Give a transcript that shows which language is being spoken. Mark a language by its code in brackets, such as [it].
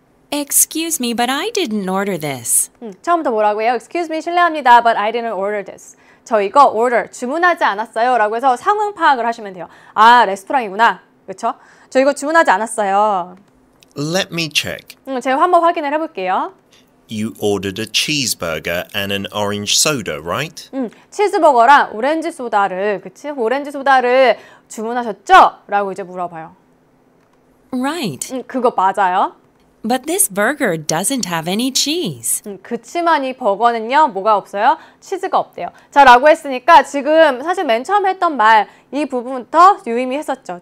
[en] Excuse me, but I didn't order this. [ko] 처음부터 뭐라고 해요? [en] Excuse me, [ko] 실례합니다. [en] But I didn't order this. [ko] 저 이거 order, 주문하지 않았어요. 라고 해서 상황 파악을 하시면 돼요. 아, 레스토랑이구나. 그렇죠? 저 이거 주문하지 않았어요. [en] Let me check. [ko] 제가 한번 확인을 해볼게요. [en] You ordered a cheeseburger and an orange soda, right? [ko] 치즈버거랑 오렌지 소다를, 그치? 오렌지 소다를 주문하셨죠? 라고 이제 물어봐요. [en] Right. [ko] 그거 맞아요. [en] But this burger doesn't have any cheese. [ko] 그치만 이 버거는요, 뭐가 없어요? 치즈가 없대요. 자, 라고 했으니까 지금 사실 맨 처음 했던 말, 이 부분부터 유의미했었죠.